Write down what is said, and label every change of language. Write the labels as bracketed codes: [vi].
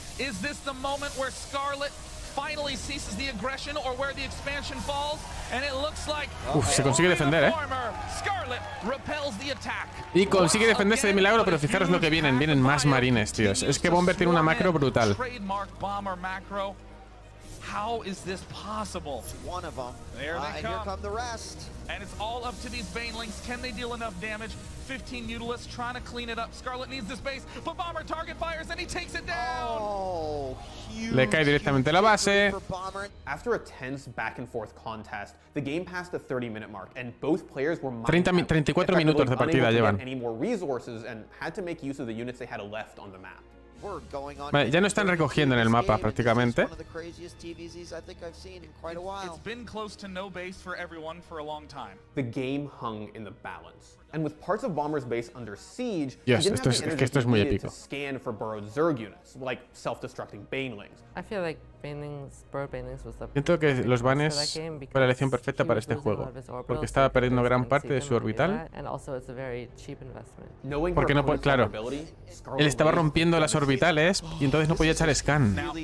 [en] Is this the moment where Scarlett finally ceases the aggression, or where the expansion falls, and it looks like. [es] Uf, se consigue defender, [en] Scarlett repels the attack. [es] Y consigue defenderse de milagro, pero fijaros lo que vienen. Vienen más marines, tíos. Es que Bomber tiene una macro brutal. [en] Trademark Bomber macro. How is this possible? One of them. There they come. Here come the rest. And it's all up to these Banelings. Can they deal enough damage? 15 Mutalisks trying to clean it up. Scarlett needs this base, but Bomber target fires and he takes it down. Oh, huge. [es] Le cae directamente la base. [en] After a tense back and forth contest, the game passed the 30-minute mark and both players were [es] 34 minutos de partida llevan. [en] Any more resources and had to make use of the units they had left on the map. [es] Vale, ya no están recogiendo en el mapa prácticamente. [en] It's been close to no base for everyone for a long time. The game hung in the balance. And with parts of Bomber's base under siege, [es] yes, esto es que esto es muy épico. [en] Scan for burrowed Zerg units, like self-destructing Banelings. I feel like Banelings, burrowed Banelings was the. [es] Siento que los Banes fue la elección perfecta para este juego, porque estaba perdiendo gran parte de su orbital. [en] And also, it's a very cheap investment. [es] Knowing porque no, claro, él estaba rompiendo las orbitales y entonces no podía echar scan.